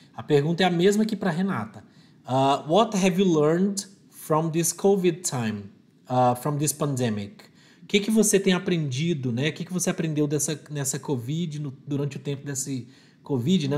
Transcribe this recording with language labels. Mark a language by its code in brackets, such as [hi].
[pt] A pergunta é a mesma que para a Renata. [en] What have you learned from this COVID time, from this pandemic? [pt] O que você tem aprendido, né? O que você aprendeu nessa COVID, durante o tempo desse COVID, né?